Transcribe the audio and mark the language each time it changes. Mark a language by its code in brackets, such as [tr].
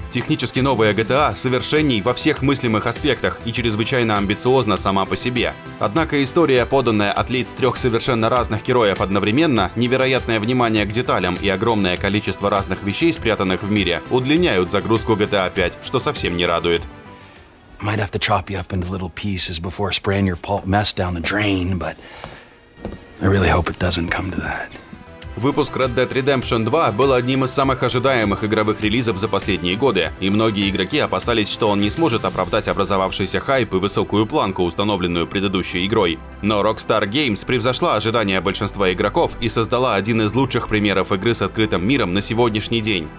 [ru] Технически новая GTA совершенней во всех мыслимых аспектах и чрезвычайно амбициозна сама по себе. Однако история, поданная от лиц трех совершенно разных героев одновременно, невероятное внимание к деталям и огромное количество разных вещей, спрятанных в мире, удлиняют загрузку GTA 5, что совсем не радует. [en] Might have to chop you up into little pieces before spraying your pulp mess down the drain, but I really hope it doesn't come to that. [ru] Выпуск Red Dead Redemption 2 был одним из самых ожидаемых игровых релизов за последние годы, и многие игроки опасались, что он не сможет оправдать образовавшийся хайп и высокую планку, установленную предыдущей игрой. Но Rockstar Games превзошла ожидания большинства игроков и создала один из лучших примеров игры с открытым миром на сегодняшний день.